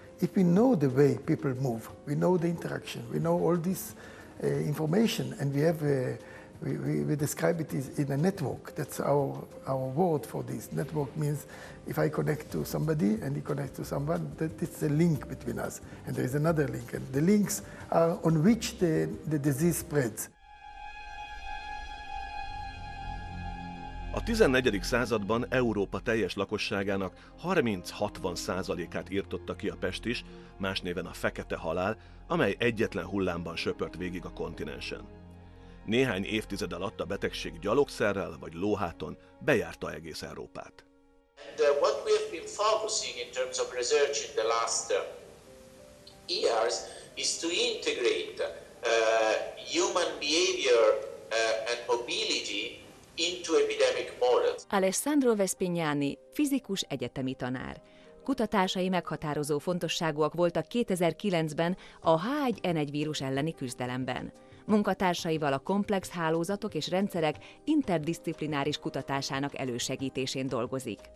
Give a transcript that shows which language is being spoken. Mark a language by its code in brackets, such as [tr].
[en] If we know the way people move, we know the interaction, we know all this information, and we have we describe it as in a network. That's our word for this. Network means if I connect to somebody and he connects to someone, that it's a link between us, and there is another link, and the links are on which the disease spreads. [hu] A 14. században Európa teljes lakosságának 30-60%-át írtotta ki a pestis, más néven a fekete halál, amely egyetlen hullámban söpört végig a kontinensen. Néhány évtized alatt a betegség gyalogszerrel vagy lóháton bejárta egész Európát. [en] And what we have been focusing in terms of research in the last years is to integrate human behavior and mobility into epidemic models. [hu] Alessandro Vespignani, fizikus egyetemi tanár. Kutatásai meghatározó fontosságúak voltak 2009-ben a H1N1 vírus elleni küzdelemben. Munkatársaival a komplex hálózatok és rendszerek interdisziplináris kutatásának elősegítésén dolgozik.